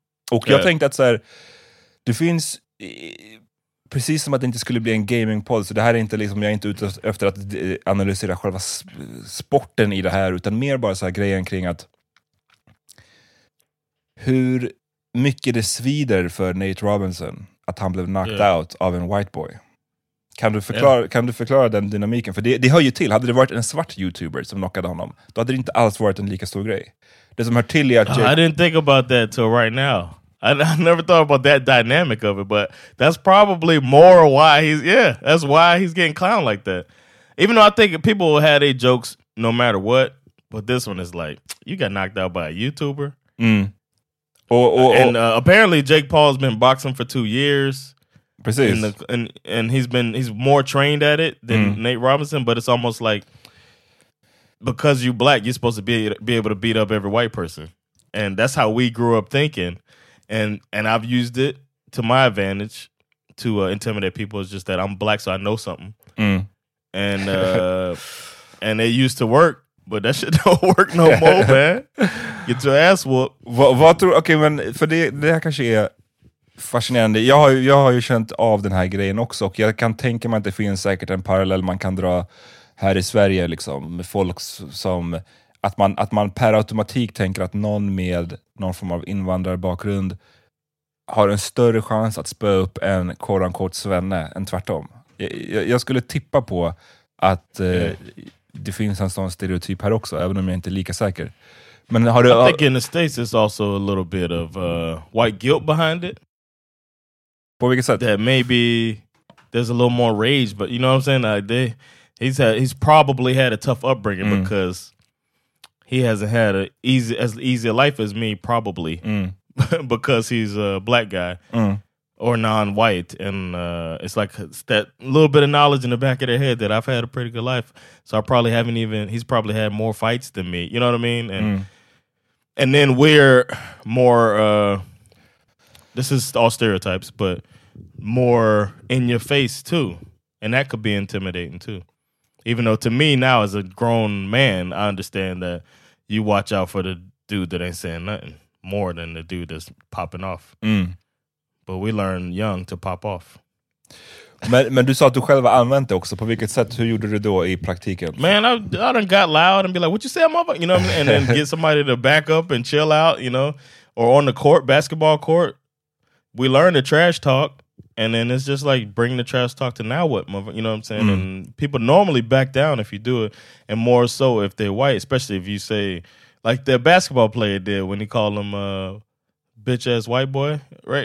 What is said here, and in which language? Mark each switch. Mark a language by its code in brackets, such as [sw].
[sv] Och jag tänkte att så här, det finns, precis som att det inte skulle bli en gaming-podd, så det här är inte liksom, jag är inte ute efter att analysera själva sporten i det här, utan mer bara så här grejen kring att hur mycket det svider för Nate Robinson att han blev [en] knocked out [sv] av en [en] white boy. [sv] Kan du förklara den dynamiken? För det hör ju till. Hade det varit en svart YouTuber som knockade honom, då hade det inte alls varit en lika stor grej. Det som hör till är att... [en] I didn't think about that till right now. I never thought about that dynamic of it, but that's probably more why that's why he's getting clowned like that. Even though I think people had their jokes no matter what, but this one is like, you got knocked out by a YouTuber. Mm. Apparently Jake Paul's been boxing for 2 years. [sv] Precis. [en] And he's more trained at it than Nate Robinson, but it's almost like because you're black, you're supposed to be able to beat up every white person. And that's how we grew up thinking. And I've used it to my advantage to intimidate people. It's just that I'm black, so I know something. Mm. And and it used to work, but that shit don't work no more, man. Get your ass whooped. [sv] Vad tror, okay, men för det här kanske är fascinerande. Jag har ju känt av den här grejen också, och jag kan tänka mig att det finns säkert en parallell man kan dra här i Sverige liksom, med folk som att man per automatik tänker att någon med någon form av invandrarbakgrund har en större chans att spö upp en [en] quote-unquote [sv] svenne än tvärtom. Jag skulle tippa på att det finns en sån stereotyp här också, även om jag inte är lika säker. Men har du, [en] I think in the States it's also a little bit of white guilt behind it. [sv] På vilket sätt? [en] That maybe there's a little more rage, but you know what I'm saying? Like he's probably had a tough upbringing because he hasn't had as easy a life as me, probably, because he's a black guy or non-white. And it's like it's that little bit of knowledge in the back of their head that I've had a pretty good life. So I probably haven't even, he's probably had more fights than me. You know what I mean? And then we're more, this is all stereotypes, but more in your face too. And that could be intimidating too. Even though to me now as a grown man, I understand that you watch out for the dude that ain't saying nothing more than the dude that's popping off. Mm. But we learn young to pop off. [sv] Men du sa att du själv använt det också. På vilket sätt, hur gjorde du då i praktiken? [en] Man, I done got loud and be like, what you say, mother? You know what I mean? And then get somebody to back up and chill out, you know? Or on the court, basketball court, we learn the trash talk. And then it's just like bring the trash talk to now what, mother, you know what I'm saying? And people normally back down if you do it, and more so if they're white, especially if you say, like the basketball player did when he called him a bitch ass white boy, right?